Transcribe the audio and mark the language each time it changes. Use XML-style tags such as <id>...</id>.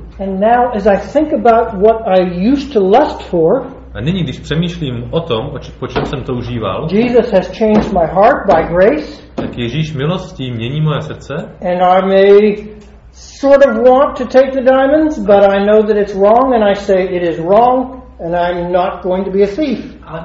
<en>And now as I think about what I used to lust for.</en> <cs>A nyní, když přemýšlím o tom, po čem jsem toužíval.</cs> <en>Jesus has changed my heart by grace.</en> <cs>Tak Ježíš milostí mění moje srdce.</cs> <en>And I may sort of want to take the diamonds, but I know that it's wrong and I say it is wrong. and I'm not going to be a thief.</en>